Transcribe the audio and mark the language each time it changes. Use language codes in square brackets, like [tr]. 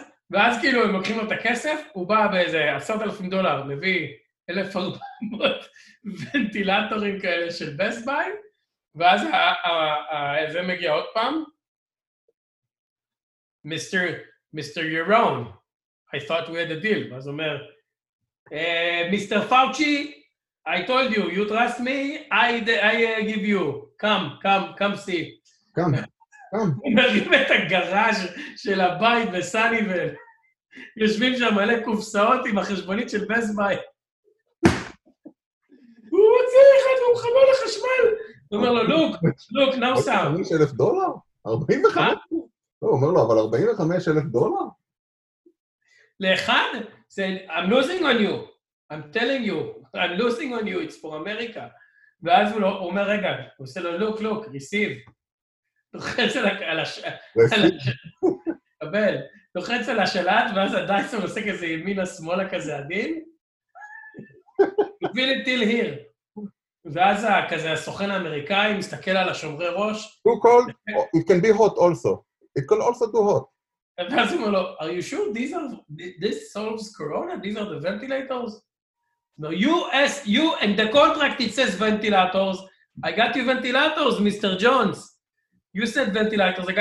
[he] ואז כאילו הם לוקחים לו את הכסף, הוא בא באיזה $10,000, מביא 1,400 ונטילטורים כאלה של Best Buy, ואז זה מגיע עוד פעם. [en] Mr. Yaron, I thought we had a deal. [he] ואז אומר, [en] Mr. Fauci, I told you, you trust me, I give you. Come see. Come. [he] הוא מרים את הגראז' של הבית בסניבל. יושבים שם מלא קופסאות עם החשבונית של Best Buy. הוא מוציא אחד והוא מחבר לחשמל. הוא אומר לו, [en] לוק, נאו סאם. [he] $45,000? 45? הוא אומר לו, אבל $45,000? לאחד? [en] I'm losing on you. I'm telling you. I'm losing on you. It's for America. [he] ואז הוא אומר, רגע, הוא עושה לו, [en] לוק, ריסיב. [he] לוחץ על השלט. קבל. לוחץ על השלט, ואז הדייסון עושה כזה ימינה, שמאלה כזה עדין. הוביל את טיל היר. ואז כזה הסוכן האמריקאי מסתכל על השומרי ראש. הוא קול, [en] it can be hot also. It can also do hot. [he] ואז הוא אומר לו, [en] are you sure this solves corona? These are the ventilators? No, you and the contract, it says ventilators. I got you ventilators, Mr. Jones. You said ventilators.